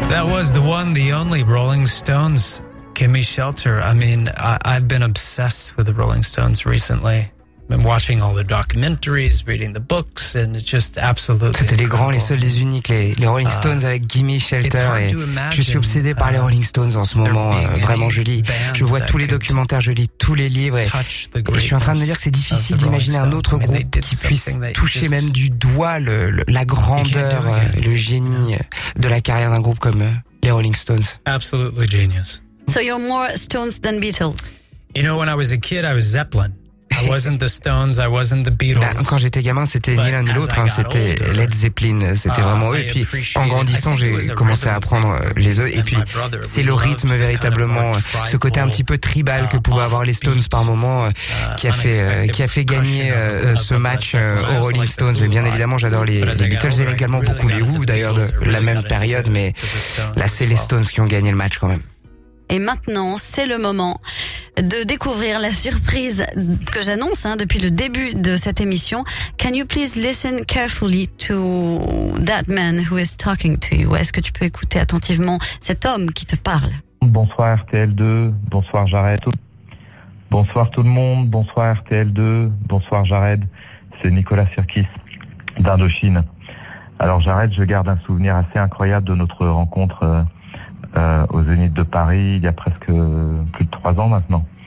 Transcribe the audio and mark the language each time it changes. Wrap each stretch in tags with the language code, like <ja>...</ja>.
<en>was the one, the only Rolling Stones, Give Me Shelter. I mean, I've been obsessed with the Rolling Stones recently. I've been watching all the documentaries, reading the books, and it's just absolutely</en> <fr>C'était les grands, les seuls, les uniques, les Rolling Stones avec Give Me Shelter. Et je suis obsédé par les Rolling Stones en ce moment. Vraiment, je lis. Je vois tous les documentaires, je lis tous les livres. Et je suis en train de me dire que c'est difficile d'imaginer un autre groupe qui puisse toucher même du doigt la grandeur, le génie de la carrière d'un groupe comme les Rolling Stones.</fr> <en>Absolutely genius. So you're more Stones than Beatles. You know, when I was a kid, I was Zeppelin. I wasn't the Stones, I wasn't the Beatles.</en> <fr>Là, quand j'étais gamin, c'était ni l'un ni l'autre, hein, c'était Led Zeppelin, c'était vraiment eux. Et puis, en grandissant, j'ai commencé à apprendre les autres. Et puis, c'est le rythme véritablement, ce côté un petit peu tribal que pouvaient avoir les Stones par moment, qui a fait gagner ce match aux Rolling Stones. Mais bien évidemment, j'adore les Beatles, j'aime également beaucoup les Who, d'ailleurs, de la même période. Mais là, c'est les Stones qui ont gagné le match quand même. Et maintenant, c'est le moment de découvrir la surprise que j'annonce hein, depuis le début de cette émission.</fr> <en>Can you please listen carefully to that man who is talking to you?</en> <fr>Est-ce que tu peux écouter attentivement cet homme qui te parle? Bonsoir RTL2, bonsoir Jared. Bonsoir tout le monde, bonsoir RTL2, bonsoir Jared. C'est Nicolas Sirkis d'Indochine. Alors Jared, je garde un souvenir assez incroyable de notre rencontre au Zénith de Paris, il y a presque plus de 3 ans maintenant.</fr>